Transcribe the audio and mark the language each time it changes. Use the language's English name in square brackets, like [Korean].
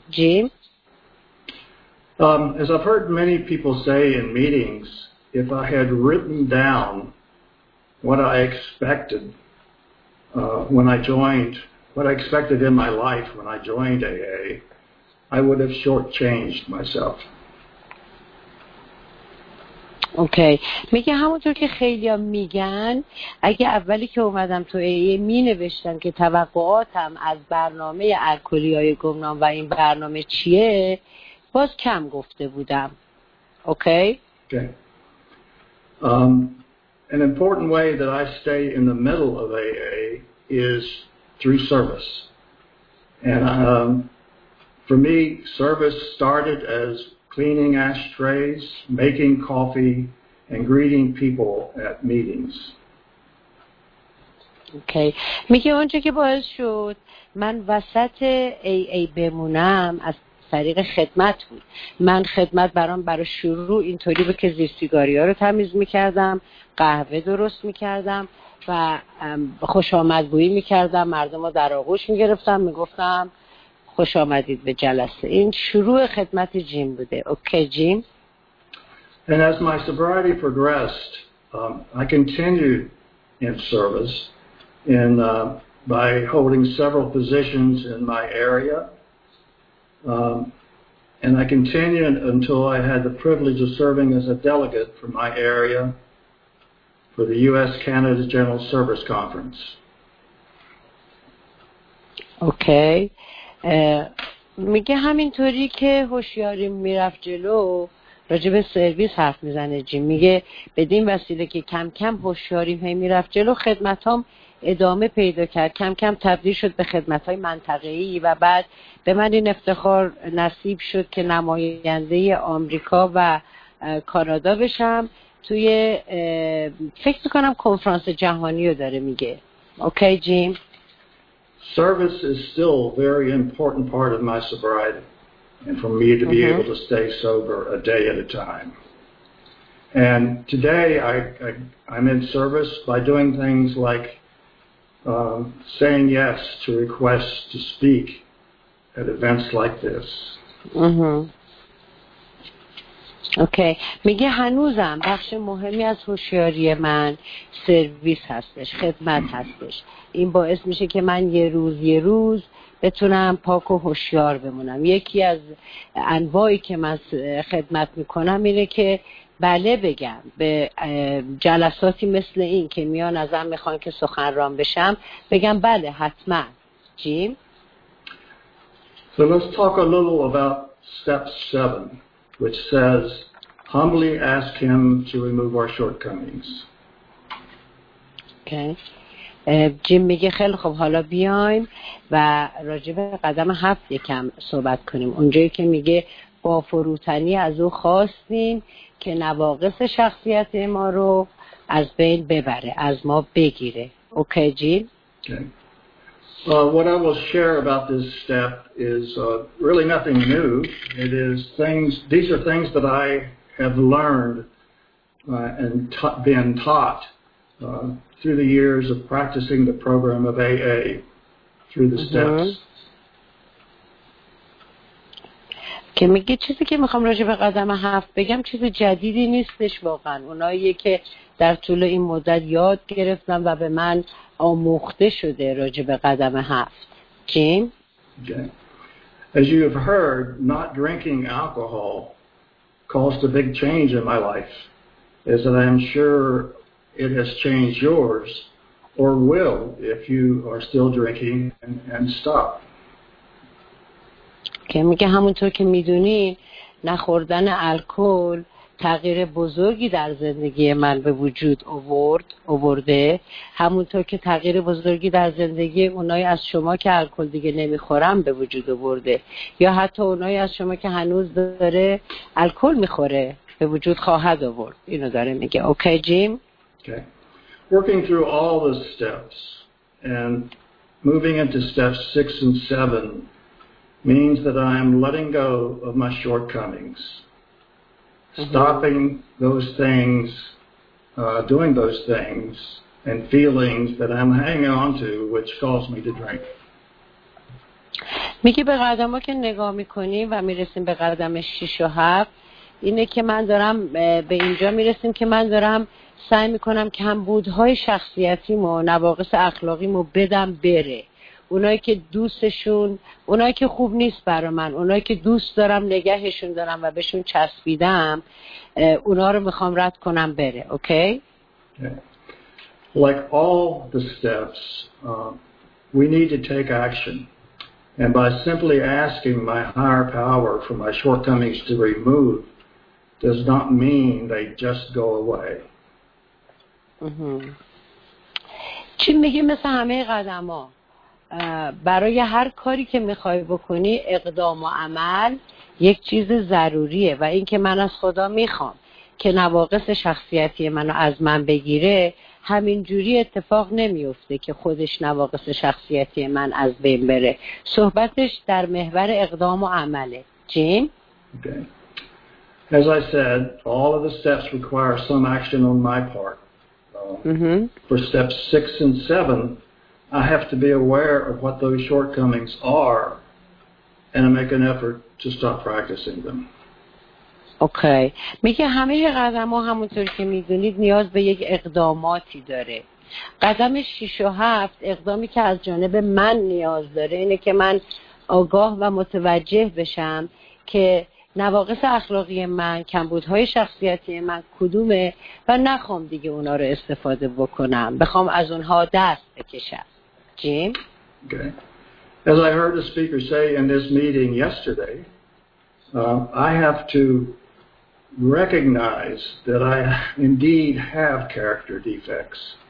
[Persian] جیم؟ [English] As I've heard many people say in meetings, if I had written down what I expected when I joined, what I expected in my life when I joined AA, I would have shortchanged myself. [Persian] اوکی. میگه همونطور که خیلی ها میگن اگه اولی که اومدم تو AA می نوشتم که توقعاتم از برنامه الکلی های گمنام و این برنامه چیه، باز کم گفته بودم. اوکی. [English] An important way that I stay in the middle of AA is through service. And for me, service started as cleaning ashtrays, making coffee, and greeting people at meetings. [Persian] اوکی. میگه اونجوری که باعث شد من وسط AA بمونم از طریق خدمت بود. من خدمت برام برای شروع اینطوری بود که زیرسیگاری ها رو تمیز میکردم، قهوه درست میکردم و خوش آمدگویی میکردم، مردم رو در آغوش میگرفتم، میگفتم خوش آمدید به جلسه. این شروع خدمت جیم بوده. اوکی جیم؟ [English] And as my sobriety progressed, I continued in service in, by holding several positions in my area. And I continued until I had the privilege of serving as a delegate for my area for the U.S.-Canada General Service Conference. Okay. [Persian] میگه همینطوری که هوشیاری میرفت جلو راجب سرویس حرف میزنه جیم. میگه بدین وسیله که کم کم هوشیاری میرفت جلو، خدمتام ادامه پیدا کرد، کم کم تبدیل شد به خدمت‌های منطقه‌ای و بعد به من این افتخار نصیب شد که نماینده آمریکا و کانادا بشم توی فکر می‌کنم کنفرانس جهانی رو داره میگه. اوکی جیم. [English] Service is still a very important part of my sobriety and for me to be able to stay sober a day at a time. And today I'm in service by doing things like saying yes to requests to speak at events like this. Okay. [Persian] میگه هنوزم بخش مهمی از هوشیاری من سرویس هستش، خدمت هستش. این باعث میشه که من یه روز یه روز بتونم پاک و هوشیار بمونم. یکی از انواعی که من خدمت میکنم اینه که بله بگم به جلساتی مثل این که میان ازم میخوان که سخنران بشم، بگم بله حتما. جیم. [English] So let's talk a little about step 7, which says humbly ask him to remove our shortcomings. Okay. [Persian] جیم میگه خیلی خب حالا بیایم و راجب قدم 7 یکم صحبت کنیم. اونجایی که میگه با فروتنی از او خواستیم که نواقص شخصیت ما رو از بین ببره، از ما بگیره. اوکی جیم؟ [English] What I will share about this step is really nothing new. It is things, these are things that I have learned and been taught through the years of practicing the program of AA through the steps. [Persian] که میگه چیزی که میخوام راجع به قدم 7 بگم چیز جدیدی نیستش واقعا، اونایی که در طول این مدت یاد گرفتم و به من آموخته شده راجع به قدم 7. جیم. [English] As you have heard, not drinking alcohol caused a big change in my life, as I am sure it has changed yours or will if you are still drinking and stop. [Persian] که میگه همونطور که میدونین نخوردن الکل تغییر بزرگی در زندگی من به وجود آورده، همونطور که تغییر بزرگی در زندگی اونایی از شما که الکل دیگه نمیخورن به وجود آورده، یا حتی اونایی از شما که هنوز داره الکل میخوره به وجود خواهد آورد. اینو داره میگه. اوکی جیم. اوکی. [English] Working through all the steps and moving into steps 6 and 7 means that I am letting go of my shortcomings. Stopping those things, doing those things and feelings that I'm hanging on to which cause me to drink. [Persian] میگه به قدم ها که نگاه میکنیم و میرسیم به قدم 6 و 7، اینه که من دارم به اینجا میرسیم که من دارم سعی میکنم کمبودهای شخصیتیمو، نواقص اخلاقیمو بدم بره. اونایی که دوستشون، اونایی که خوب نیست برای من، اونایی که دوست دارم نگهشون دارم و بهشون چسبیدم، اونا رو میخوام رد کنم بره. اوکی؟ Like all the steps, we need to take action. And by simply asking my higher power for my shortcomings to remove does not mean they just go away. چی میگی؟ مثل همه قدم‌ها، برای هر کاری که میخوای بکنی اقدام و عمل یک چیز ضروریه، و اینکه من از خدا میخوام که نواقص شخصیتی منو از من بگیره همین جوری اتفاق نمیفته که خودش نواقص شخصیتی من از بین بره. صحبتش در محور اقدام و عمله. جیم؟ [English] Okay. As I said, all of the steps require some action on my part. For steps 6 and 7 I have to be aware of what those shortcomings are and I make an effort to stop practicing them. Okay. [Persian] میگه همه قدم‌ها همونطور که می‌دونید نیاز به یک اقداماتی داره. قدم 6 و 7 اقدامی که از جانب من نیاز داره اینه که من آگاه و متوجه بشم که نواقص اخلاقی من، کمبودهای شخصیتی من کدومه و نخوام دیگه اونا رو استفاده بکنم، بخوام از اونها دست بکشم. جیم؟ [English] Okay. As I heard a speaker say in this meeting yesterday, I have to recognize that I indeed have character defects.